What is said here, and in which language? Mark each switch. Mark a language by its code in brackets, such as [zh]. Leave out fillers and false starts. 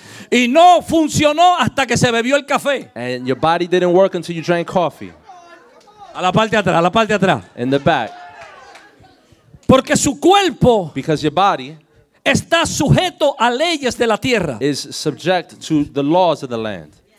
[es] Y no funcionó hasta que se bebió el café. [en] And your body didn't work until you drank coffee. [es] A la parte de atrás, a la parte de atrás. [en] In the back. [es] Porque su cuerpo. [en] Because your body. [es] Está sujeto a leyes de la tierra. [en] Is subject to the laws of the land.